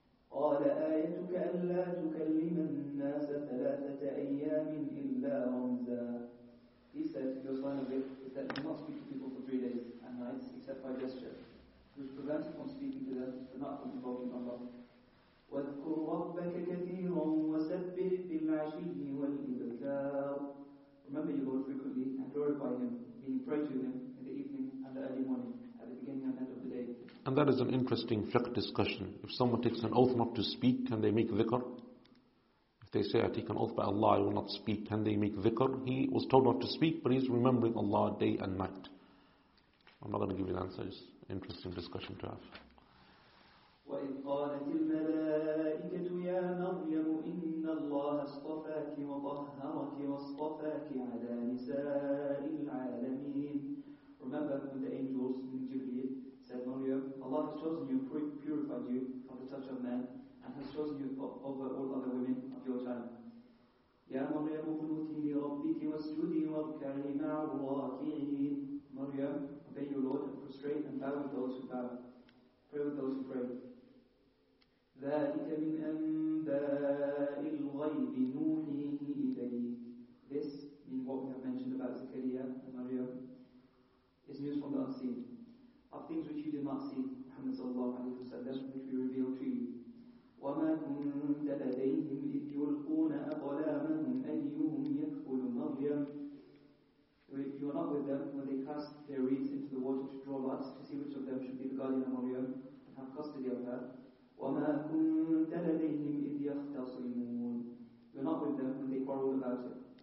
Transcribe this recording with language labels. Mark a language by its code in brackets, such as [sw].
[ar] قال آيتك ألا تكلم الناس ثلاثة أيام إلا رمزا. [en] He said, "Your sign of it is that you must speak to people for 3 days and nights except by gesture, which prevents you from speaking to them but not from invoking Allah." [ar] واذكر ربك كثيرا وسبح بالعشي والإبكار. [en] Remember your Lord frequently and glorify Him, meaning pray to Him in the evening and the early morning, at the beginning and end of the day. And that is an interesting fiqh discussion. If someone takes an oath not to speak, can they make dhikr? If they say, "I take an oath by Allah, I will not speak," can they make dhikr? He was told not to speak, but he's remembering Allah day and night. I'm not going to give you an answer. It's an interesting discussion to have. [ar] وَإِذْ قَالَتِ الْمَلَائِكَةُ يَا مَرْيَمُ إِنَّ اللَّهَ اصْطَفَاكِ وَطَهَّرَكِ وَاصْطَفَاكِ عَلَى نِسَاءِ الْعَالَمِينَ. [en] Remember when the angels in Jibreel said, "Maryam, Allah has chosen you and purified you from the touch of man, and has chosen you over all other women of your time." [ar] يَا مَرْيَمُ قُنُوتِي لِرَبِّكِ وَاسْجُدِي وَارْكَعِي مَعَ الرَّاكِعِينَ. [en] Maryam, obey your Lord and prostrate and bow with those who bow. Pray with those who pray. [ar] ذلك من أنباء الغيب نوحيه إليك. [en] This, meaning what we have mentioned about Zakariya and Maryam, is news from the unseen. Of things which you did not see, Muhammad sallallahu alayhi wa sallam, which we reveal to you. [ar] وما كنت لديهم إذ يلقون أقلامهم أيهم يكفل مريم. [en] If you are not with them when they cast their reeds into the water to draw lots to see which of them should be the guardian of Maryam and have custody of her. [ar] وَمَا كُنْتَ لَدَيْهِمْ إِذْ يَخْتَصِمُونَ. [en] You're not with them when they quarrel about it.